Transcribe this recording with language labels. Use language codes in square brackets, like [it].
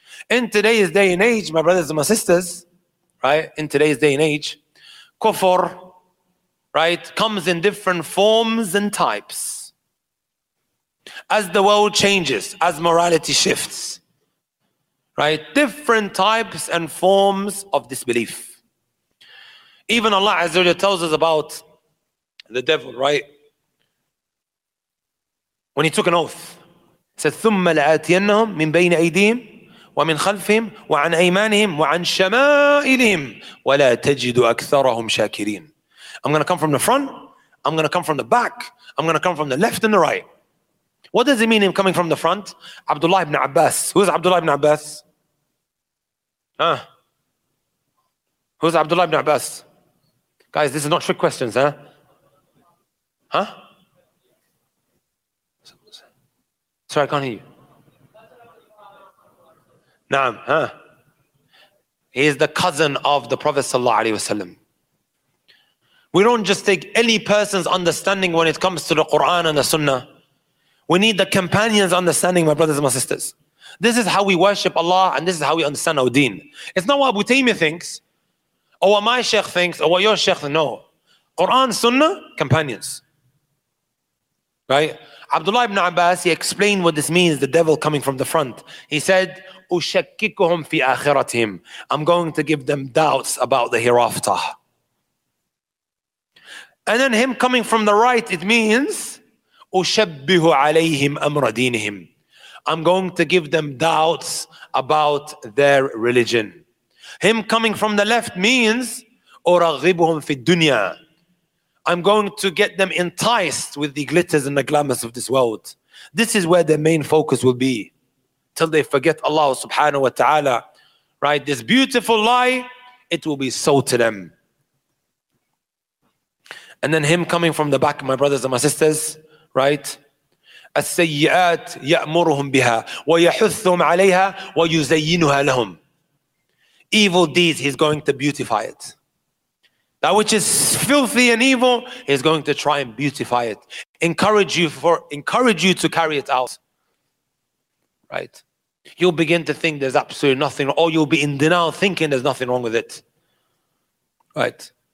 [en] In today's day and age, my brothers and my sisters, right, in today's day and age, kufr, right, comes in different forms and types. As the world changes, as morality shifts, right, different types and forms of disbelief. Even Allah Azza wa Jalla tells us about the devil, right? When he took an oath, said, [ar] ثُمَّ لَآتِيَنَّهُمْ مِنْ بَيْنِ أَيْدِيهِمْ وَمِنْ خَلْفِهِمْ وَعَنْ أَيْمَانِهِمْ وَعَنْ شَمَائِلِهِمْ وَلَا تَجِدُ أَكْثَرَهُمْ شَاكِرِينَ. [en] I'm going to come from the front. I'm going to come from the back. I'm going to come from the left and the right. What does it mean, him coming from the front? Abdullah ibn Abbas. Who's Abdullah ibn Abbas? Huh? Who's Abdullah ibn Abbas? Guys, this is not trick questions, huh? Huh? Sorry, I can't hear you. Naam, huh? He is the cousin of the Prophet sallallahu alaihi wasallam. We don't just take any person's understanding when it comes to the Quran and the Sunnah. We need the companion's understanding, my brothers and my sisters. This is how we worship Allah and this is how we understand our deen. It's not what Abu Taymiyyah thinks, or what my sheikh thinks, or what your sheikh thinks. No. Quran, Sunnah, companions. Right? Abdullah ibn Abbas, he explained what this means, the devil coming from the front. He said, [ar] أُشَكِّكُهُمْ فِي آخِرَتِهِمْ. [en] I'm going to give them doubts about the hereafter. And then him coming from the right, it means, [ar] أُشَبِّهُ عَلَيْهِمْ أَمْرَ دِينِهِمْ. [en] I'm going to give them doubts about their religion. Him coming from the left means, [ar] أُرَغِّبُهُمْ فِي الدُّنْيَا. [en] I'm going to get them enticed with the glitters and the glamours of this world. This is where their main focus will be, till they forget Allah subhanahu wa ta'ala. Right? This beautiful lie, it will be sold to them. And then him coming from the back, my brothers and my sisters, right? [ar] السيئات يأمرهم بها ويحثهم عليها ويزينها لهم. [en] Evil deeds, he's going to beautify it. That which is filthy and evil, he's going to try and beautify it. Encourage you to carry it out. Right? You'll begin to think there's absolutely nothing, or you'll be in denial thinking there's nothing wrong with it. Right?